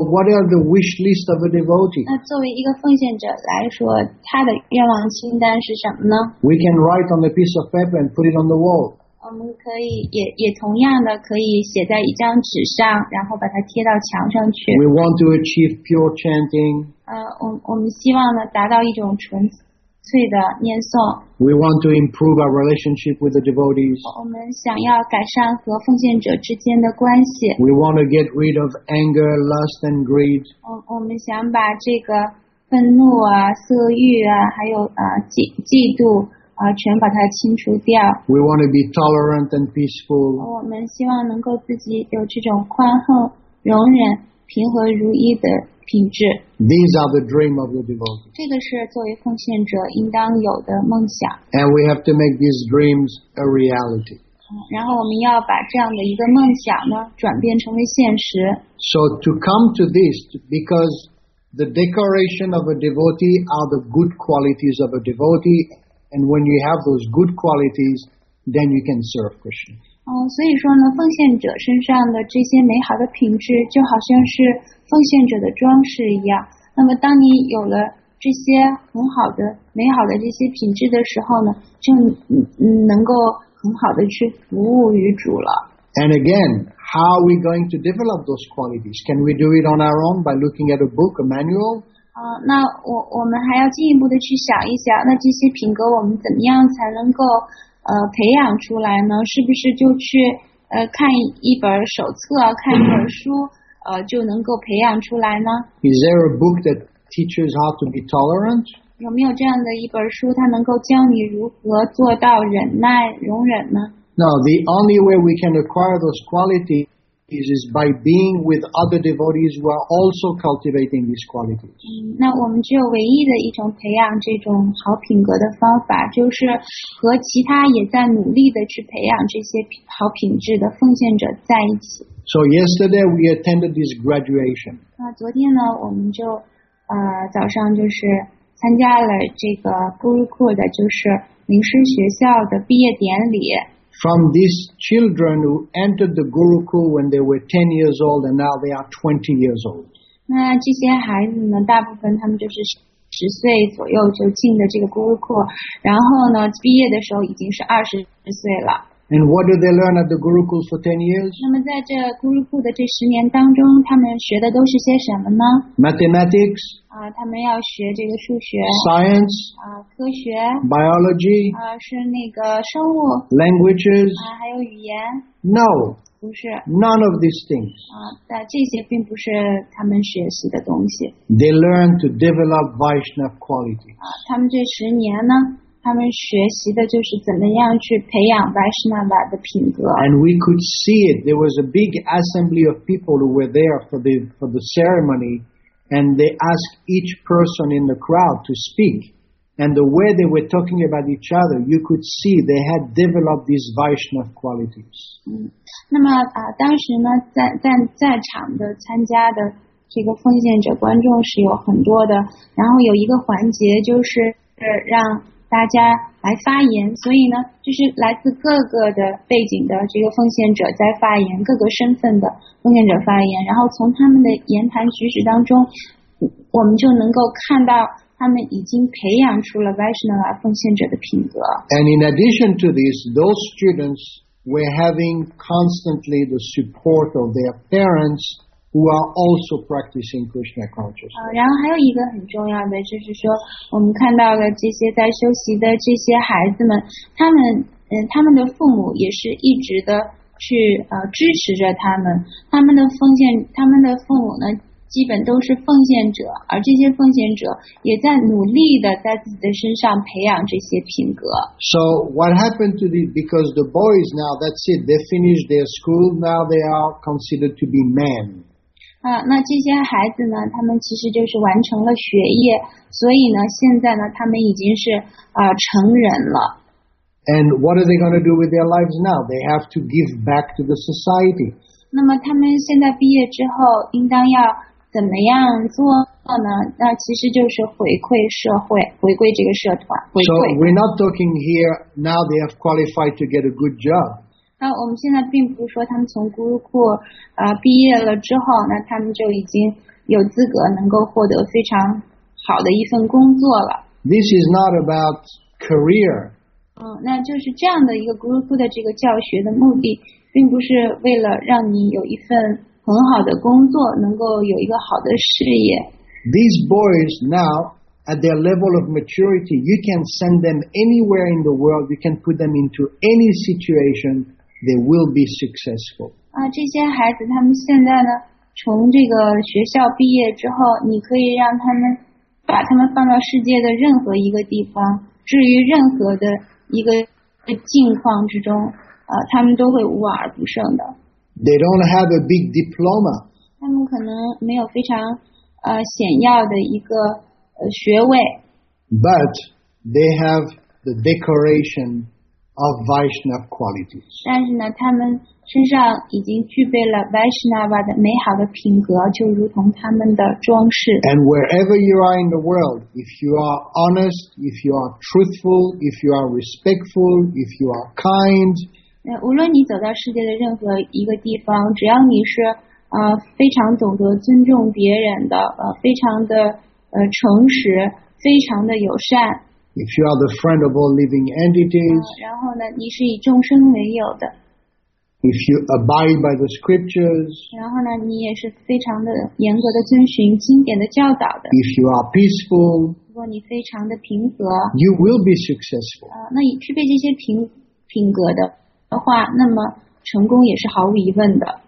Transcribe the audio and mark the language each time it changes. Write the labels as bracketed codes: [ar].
[en] what are the wish list of a devotee? [zh] 那作为一个奉献者来说，他的愿望清单是什么呢？ [en] We can write on a piece of paper and put it on the wall. [zh] 我们可以也同样的可以写在一张纸上，然后把它贴到墙上去。 [en] We want to achieve pure chanting. [zh] 我们希望呢达到一种纯粹的念诵。 [en] We want to improve our relationship with the devotees. [zh] 我们想要改善和奉献者之间的关系。 [en] We want to get rid of anger, lust, and greed. [zh] 我们想把这个愤怒啊、色欲啊，还有嫉妒。 [en] We want to be tolerant and peaceful. [zh] 我们希望能够自己有这种宽厚、容忍、平和如一的品质。 [en] These are the dream of the devotee. [zh] 这个是作为奉献者应当有的梦想。 [en] And we have to make these dreams a reality. [zh] 然后我们要把这样的一个梦想呢，转变成为现实。 [en] So to come to this, because the decoration of a devotee are the good qualities of a devotee, and when you have those good qualities, then you can serve Krishna. [zh] 所以说呢，奉献者身上的这些美好的品质，就好像是奉献者的装饰一样。那么，当你有了这些很好的、美好的这些品质的时候呢，就能够很好的去服务于主了。 [en] And again, how are we going to develop those qualities? Can we do it on our own by looking at a book, a manual? [zh] 那我们还要进一步的去想一想，那这些品格我们怎么样才能够培养出来呢？是不是就去看一本手册，看一本书，就能够培养出来呢？ [en] Is there a book that teaches how to be tolerant? [zh] 有没有这样的一本书，它能够教你如何做到忍耐、容忍呢？ [en] No, the only way we can acquire those qualities is by being with other devotees who are also cultivating these qualities. [zh] 那我们只有唯一的一种培养这种好品格的方法，就是和其他也在努力的去培养这些好品质的奉献者在一起。 [en] So yesterday we attended this graduation. [zh] 那昨天呢，我们就早上就是参加了这个 Gurukul 的，就是名师学校的毕业典礼。 [en] From these children who entered the Gurukul when they were 10 years old and now they are 20 years old. [zh] 那这些孩子呢，大部分他们就是十岁左右就进的这个 Gurukul， 然后呢，毕业的时候已经是二十岁了。 [en] And what did they learn at the Gurukul for 10 years? [zh] 那么在这 Gurukul 的这十年当中，他们学的都是些什么呢？ [en] Mathematics. [zh] 他们要学这个数学。 [en] Science. [zh] 科学。 [en] Biology. [zh] 是那个生物。 [en] Languages. [zh] 还有语言。 [en] No. [zh] 不是。 [en] None of these things. [zh] 这些并不是他们学习的东西。 [en] They learn to develop Vaishnava qualities. [zh] 他们这十年呢？他们学习的就是怎么样去培养 Vaishnava 的品格。 [en] And we could see it. There was a big assembly of people who were there for the ceremony, and they asked each person in the crowd to speak. And the way they were talking about each other, you could see they had developed these Vaishnava qualities. [zh] 那么当时呢，在场的参加的这个奉献者观众是有很多的，然后有一个环节就是让大家来发言，所以呢，就是来自各个的背景的这个奉献者在发言，各个身份的奉献者发言，然后从他们的言谈举止当中，我们就能够看到他们已经培养出了 Vaishnava 奉献者的品格。 [en] And in addition to this, those students were having constantly the support of their parents who are also practicing Krishna consciousness. [zh] 然后还有一个很重要的，就是说我们看到了这些在修习的这些孩子们，他们的父母也是一直的去支持着他们。他们的父母呢，基本都是奉献者，而这些奉献者也在努力的在自己的身上培养这些品格。 [en] So what happened to the because the boys now that's it they finished their school now they are considered to be men. [zh] 那这些孩子呢，他们其实就是完成了学业，所以呢，现在呢，他们已经是成人了。 [en] And what are they going to do with their lives now? They have to give back to the society. [zh] 那么他们现在毕业之后应当要怎么样做呢？那其实就是回馈社会，回归这个社团。 [en] So we're not talking here now they have qualified to get a good job. [zh] 那我们现在并不是说他们从咕噜库毕业了之后，那他们就已经有资格能够获得非常好的一份工作了。 [en] This is not about career. [zh] 那就是这样的一个咕噜库的这个教学的目的，并不是为了让你有一份很好的工作，能够有一个好的事业。 [en] These boys now. At their level of maturity, you can send them anywhere in the world. You can put them into any situation. They will be successful. [zh] 这些孩子他们现在呢，从这个学校毕业之后，你可以让他们把他们放到世界的任何一个地方，置于任何的一个境况之中，他们都会无往而不胜的。 [en] They don't have a big diploma. [zh] 他们可能没有非常显要的一个学位。 [en] But they have the decoration of Vaishnava qualities. [zh] 但是呢，他们身上已经具备了 Vaishnava 的美好的品格，就如同他们的装饰。 [en] And wherever you are in the world, if you are honest, if you are truthful, if you are respectful, if you are kind. [zh] 无论你走到世界的任何一个地方，只要你是非常懂得尊重别人的，非常的诚实，非常的友善。 [en] If you are the friend of all living entities. [zh] 然后呢，你是以众生为友的。 [en] If you abide by the scriptures. [zh] 然后呢，你也是非常的严格的遵循经典的教导的。 [en] If you are peaceful. [zh] 如果你非常的平和。 [en] You will be successful. [zh] 那你具备这些品格的话，那么成功也是毫无疑问的。